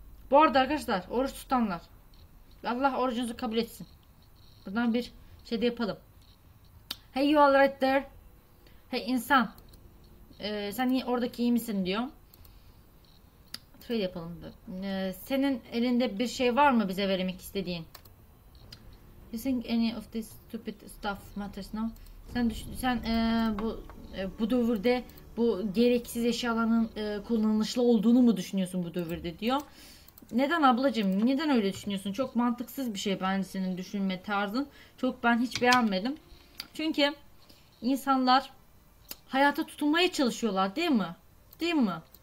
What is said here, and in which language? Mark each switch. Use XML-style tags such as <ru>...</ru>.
<tr>Bu arada arkadaşlar, oruç tutanlar. Allah orucunuzu kabul etsin. Buradan bir şey de yapalım.</tr> <en>Hey you are right there.</en> <tr>Hey insan. Sen niye oradaki iyi misin diyor. Şöyle yapalım. Senin elinde bir şey var mı bize vermek istediğin?</tr> <en>You think any of this stupid stuff matters now?</en> <tr>Sen bu dövürde bu gereksiz eşyaların kullanışlı olduğunu mu düşünüyorsun bu dövürde diyor. Neden ablacığım? Neden öyle düşünüyorsun? Çok mantıksız bir şey bence senin düşünme tarzın. Çok ben hiç beğenmedim. Çünkü insanlar hayata tutunmaya çalışıyorlar, değil mi? Değil mi?</tr>